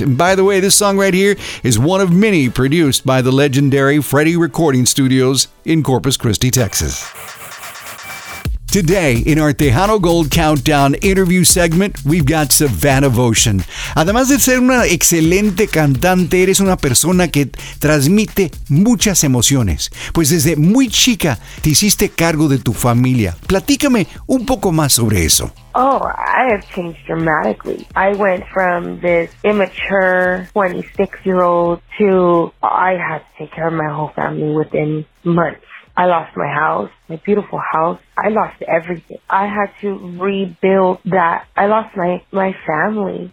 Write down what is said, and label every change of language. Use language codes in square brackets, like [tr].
[en] And by the way, this song right here is one of many produced by the legendary Freddy Recording Studios in Corpus Christi, Texas. Today, in our Tejano Gold Countdown interview segment, we've got Savannah Voshin. [es] Además de ser una excelente cantante, eres una persona que transmite muchas emociones. Pues desde muy chica te hiciste cargo de tu familia. Platícame un poco más sobre eso. [en] Oh, I have changed dramatically. I went from this immature 26-year-old to I had to take care of my whole family within months. I lost my house, my beautiful house. I lost everything. I had to rebuild that. I lost my family.